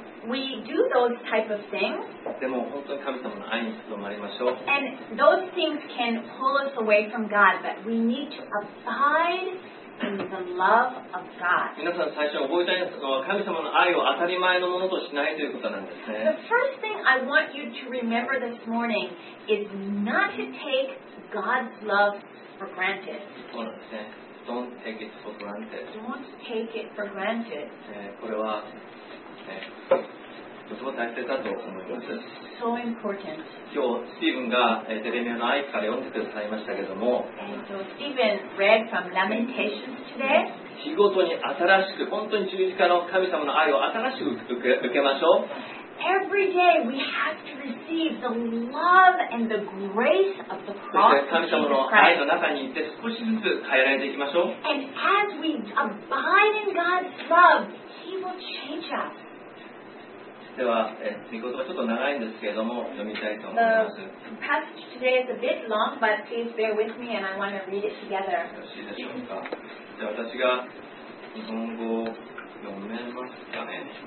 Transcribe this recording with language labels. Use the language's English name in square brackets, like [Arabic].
[English] We do those type of things. [Japanese] でも本当に神様の愛にとどまりましょう。 [English] And those things can pull us away from God, but we need to abide in the love of God. [Japanese] 皆さん最初に覚えたいのは神様の愛を当たり前のものとしないということなんですね。 [English] The first thing I want you to remember this morning is not to take God's love for granted. [Japanese] そうなんですね。 [English] Don't take it for granted. Don't take it for granted. [Japanese] これはとても大切だと思います。 [English] So important. [Japanese] 今日スティーブンがジェレミアの愛から読んでくださいましたけれども、 [English] スティーブン read from Lamentations today. [Japanese] 日ごとに新しく本当に十字架の神様の愛を新しく受けましょう。 [English] Every day we have to receive the love and the grace of the cross. [Japanese] 神様の愛の中にいて少しずつ変えられていきましょう。 [English] And as we abide in God's love, He will change us. [Japanese] では、御言葉ちょっと長いんですけれども、読みたいと思います。 [English] The passage today is a bit long, but please bear with me and I want to read it together. [Japanese] よろしいでしょうか。じゃあ私が日本語を読めますかね。